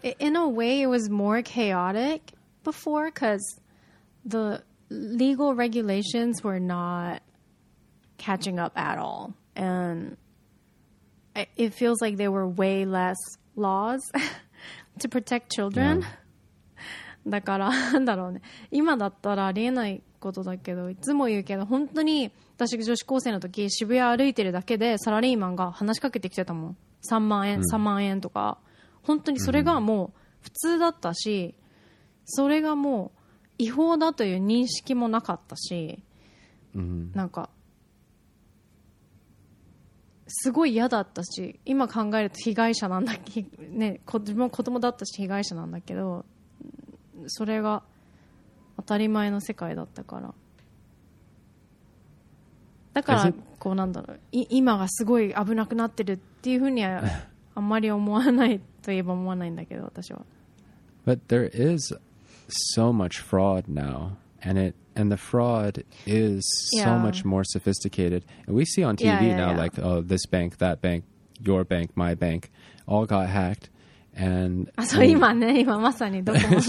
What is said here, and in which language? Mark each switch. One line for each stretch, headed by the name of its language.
English: In a way, it was more chaotic before because the legal regulations were not catching up at all. And it feels like there were way less laws to protect children.
Japanese: だから、なんだろうね。今だったらありえないことだけど、いつも言うけど、本当に私が女子高生の時、渋谷歩いてるだけでサラリーマンが話しかけてきてたもん。 3万円、3万円とか。本当にそれがもう普通だったし、それがもう違法だという認識もなかったし、なんかすごい嫌だったし、今考えると被害者なんだっけ、ね、自分も子供だったし被害者なんだけど、それが当たり前の世界だったから、だからこうなんだろう、今がすごい危なくなってるっていうふうにはあんまり思わないといえば思わないんだけど私は。
English: But there is so much fraud now, and it and the fraud is so much more sophisticated. And we see on TV now. Like, oh, this bank, that bank, your bank, my bank, all got hacked. And so, this